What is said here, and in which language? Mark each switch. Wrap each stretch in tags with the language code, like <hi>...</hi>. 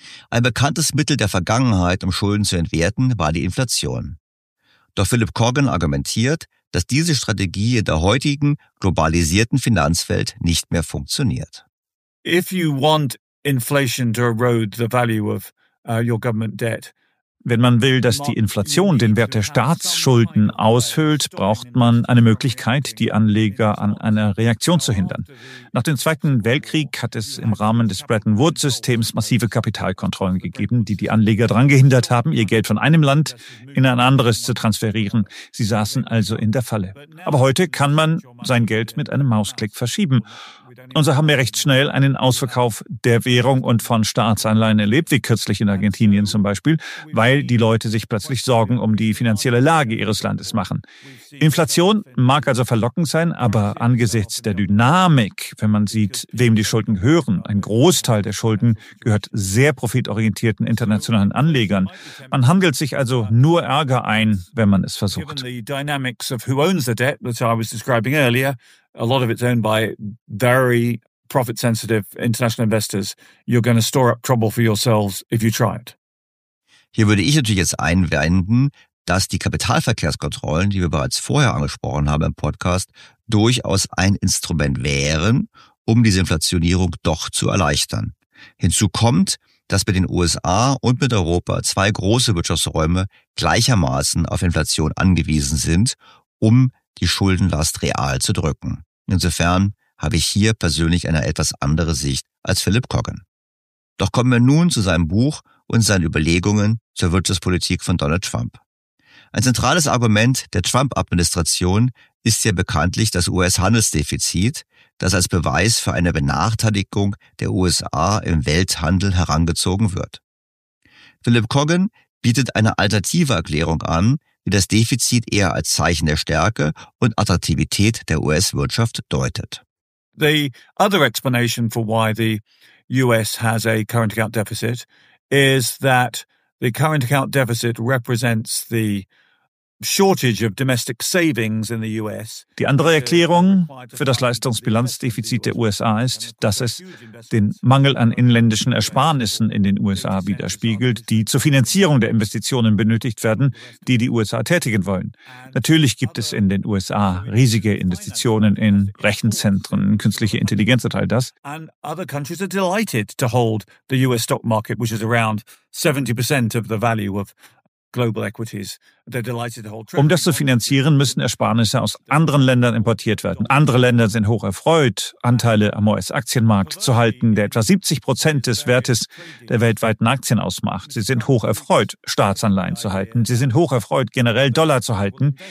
<de>Ein bekanntes Mittel der Vergangenheit, um Schulden zu entwerten, war die Inflation. Doch Philipp Korgan argumentiert, dass diese Strategie in der heutigen globalisierten Finanzwelt nicht mehr funktioniert.</de> <en>If you want inflation to erode the value of your government debt,</en> <de>Wenn man will, dass die Inflation den Wert der Staatsschulden aushöhlt, braucht man eine Möglichkeit, die Anleger an einer Reaktion zu hindern. Nach dem Zweiten Weltkrieg hat es im Rahmen des Bretton Woods-Systems massive Kapitalkontrollen gegeben, die die Anleger daran gehindert haben, ihr Geld von einem Land in ein anderes zu transferieren. Sie saßen also in der Falle. Aber heute kann man sein Geld mit einem Mausklick verschieben. Und so haben wir recht schnell einen Ausverkauf der Währung und von Staatsanleihen erlebt, wie kürzlich in Argentinien zum Beispiel, weil die Leute sich plötzlich Sorgen um die finanzielle Lage ihres Landes machen. Inflation mag also verlockend sein, aber angesichts der Dynamik, wenn man sieht, wem die Schulden gehören, ein Großteil der Schulden gehört sehr profitorientierten internationalen Anlegern. Man handelt sich also nur Ärger ein, wenn man es versucht.</de> <en>Given the dynamics of who owns the debt, which I was describing earlier, a lot of it's owned by very profit-sensitive international investors. You're going to store up trouble for yourselves if you try it.</en> <de>Hier würde ich natürlich jetzt einwenden, dass die Kapitalverkehrskontrollen, die wir bereits vorher angesprochen haben im Podcast, durchaus ein Instrument wären, um diese Inflationierung doch zu erleichtern. Hinzu kommt, dass mit den USA und mit Europa zwei große Wirtschaftsräume gleichermaßen auf Inflation angewiesen sind, um die Schuldenlast real zu drücken. Insofern habe ich hier persönlich eine etwas andere Sicht als Philip Coggan. Doch kommen wir nun zu seinem Buch und seinen Überlegungen zur Wirtschaftspolitik von Donald Trump. Ein zentrales Argument der Trump-Administration ist ja bekanntlich das US-Handelsdefizit, das als Beweis für eine Benachteiligung der USA im Welthandel herangezogen wird. Philip Coggan bietet eine alternative Erklärung an, wie das Defizit eher als Zeichen der Stärke und Attraktivität der US-Wirtschaft deutet.</de> <en>The other explanation for why the US has a current account deficit is that the current account deficit represents the shortage of domestic savings in the US.</en> <de>Die andere Erklärung für das Leistungsbilanzdefizit der USA ist, dass es den Mangel an inländischen Ersparnissen in den USA widerspiegelt, die zur Finanzierung der Investitionen benötigt werden, die die USA tätigen wollen. Natürlich gibt es in den USA riesige Investitionen in Rechenzentren, künstliche Intelligenz und all das.</de> <en>And other countries are delighted to hold the US stock market, which is around 70% of the value of global equities.</en> <de>Um das zu finanzieren, müssen Ersparnisse aus anderen Ländern importiert werden. Andere Länder sind hoch erfreut, Anteile am US-Aktienmarkt zu halten, der etwa 70% des Wertes der weltweiten Aktien ausmacht. Sie sind hoch erfreut, Staatsanleihen zu halten. Sie sind hoch erfreut, generell Dollar zu halten.</de>